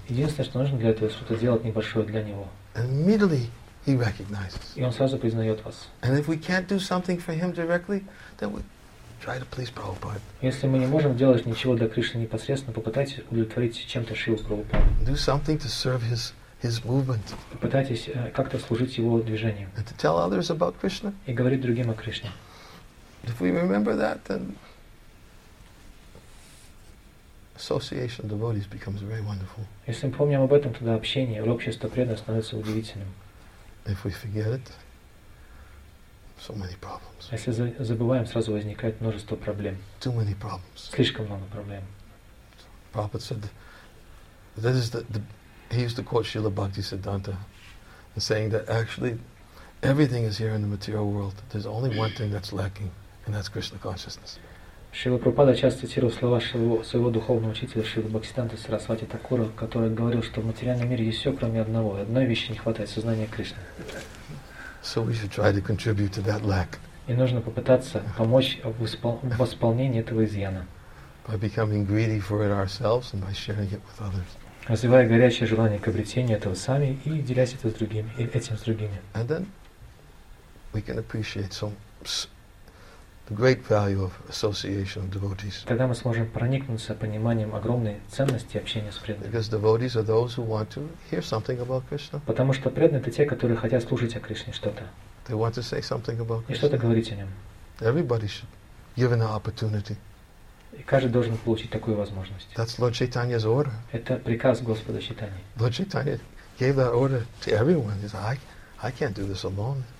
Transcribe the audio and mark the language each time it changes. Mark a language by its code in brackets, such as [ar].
[ru] Единственное, что нужно для этого, что-то сделать небольшое для него. [en] And immediately he recognizes. And if we can't do something for him directly, then we try to please Prabhupada. [ru] Если мы не можем делать ничего для Кришны непосредственно, попытайтесь удовлетворить чем-то Шрилу Прабхупаду. [en] Do something to serve his his movement. [ru] Пытайтесь как-то служить его движению. [en] And to tell others about Krishna. [ru] И говорить другим о Кришне. [en] If we remember that, then association of devotees becomes very wonderful. [ru] Если мы помним об этом, тогда общение, общество преданных становится удивительным. [en] If we forget it, so many problems. [ru] Если забываем, сразу возникает множество проблем. [en] Too many problems. [ru] Слишком много проблем. [en] Prabhupada said, "This is the he used to quote Srila Bhakti Siddhanta, saying that actually everything is here in the material world. There's only one thing that's lacking, and that's Krishna consciousness." [ru] Шрила Прабхупада часто цитировал слова своего духовного учителя Шрила Бхактисиддханты Сарасвати Такура, который говорил, что в материальном мире есть все, кроме одного. Одной вещи не хватает — сознания Кришны. [en] So we should try to contribute to that lack. [ru] И нужно попытаться помочь в восполнении этого изъяна. [en] By becoming greedy for it ourselves and by sharing it with others. [ru] Развивая горячее желание к обретению этого сами и делясь это с другими, этим с другими. [en] And then we can appreciate some the great value of association of devotees. [ru] Когда мы сможем проникнуться пониманием огромной ценности общения с преданными. [en] Because devotees are those who want to hear something about Krishna. [ru] Потому что преданные — это те, которые хотят слушать о Кришне что-то. [en] They want to say something about Krishna. [ru] И что-то говорить о нем. [en] Everybody should be given an opportunity. [ru] И каждый должен получить такую возможность. [en] That's Lord Chaitanya's order. [ru] Это приказ Господа Чайтаньи. [en] Lord Chaitanya gave that order to everyone. He said, I can't do this alone.